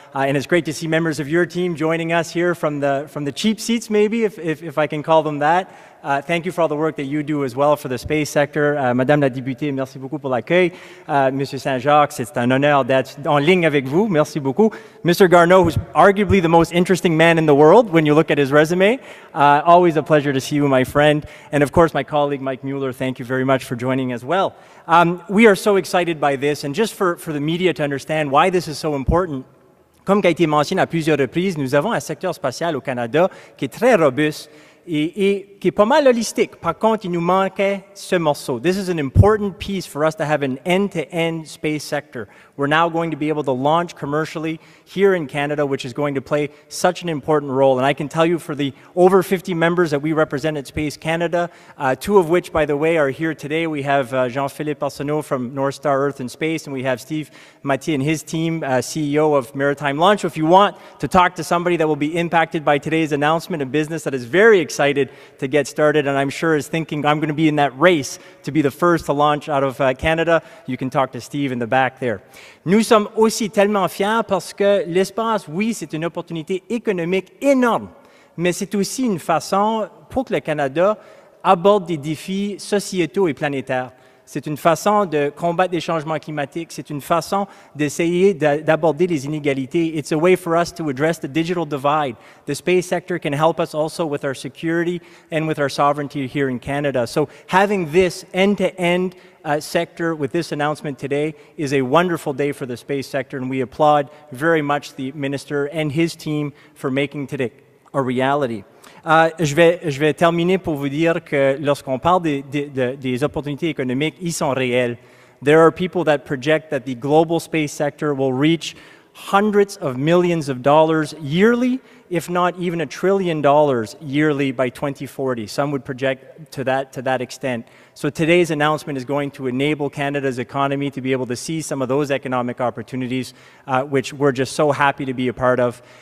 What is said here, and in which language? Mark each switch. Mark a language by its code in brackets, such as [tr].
[en] And it's great to see members of your team joining us here from the cheap seats, maybe, if I can call them that. Thank you for all the work that you do as well for the space sector. [fr] Madame la députée, merci beaucoup pour l'accueil. Monsieur Saint-Jacques, c'est un honneur d'être en ligne avec vous. Merci beaucoup. Mr. [en] Garneau, who's arguably the most interesting man in the world when you look at his resume. Always a pleasure to see you, my friend. And of course, my colleague, Mike Mueller, thank you very much for joining as well. We are so excited by this. And just for the media to understand why this is so important, [fr] comme a été mentionné à plusieurs reprises, nous avons un secteur spatial au Canada qui est très robuste. Et qui est pas mal holistique. Par contre, il nous manquait ce morceau. [en] This is an important piece for us to have an end-to-end space sector. We're now going to be able to launch commercially here in Canada, which is going to play such an important role. And I can tell you for the over 50 members that we represent at Space Canada, two of which, by the way, are here today. We have Jean-Philippe Arsenault from North Star Earth and Space, and we have Steve Mathieu and his team, CEO of Maritime Launch. So if you want to talk to somebody that will be impacted by today's announcement, a business that is very excited to get started, and I'm sure is thinking, I'm going to be in that race to be the first to launch out of Canada, you can talk to Steve in the back there. [fr] Nous sommes aussi tellement fiers parce que l'espace, oui, c'est une opportunité économique énorme, mais c'est aussi une façon pour que le Canada aborde des défis sociétaux et planétaires. C'est une façon de combattre les changements climatiques, c'est une façon d'essayer d'aborder les inégalités. [en] It's a way for us to address the digital divide. The space sector can help us also with our security and with our sovereignty here in Canada. So having this end-to-end sector with this announcement today is a wonderful day for the space sector, and we applaud very much the minister and his team for making today a reality. [fr] Je vais terminer pour vous dire que lorsqu'on parle des opportunités économiques, ils sont réels. [en] There are people that project that the global space sector will reach hundreds of millions of dollars yearly, if not even $1 trillion yearly by 2040. Some would project to that extent. So today's announcement is going to enable Canada's economy to be able to see some of those economic opportunities, which we're just so happy to be a part of.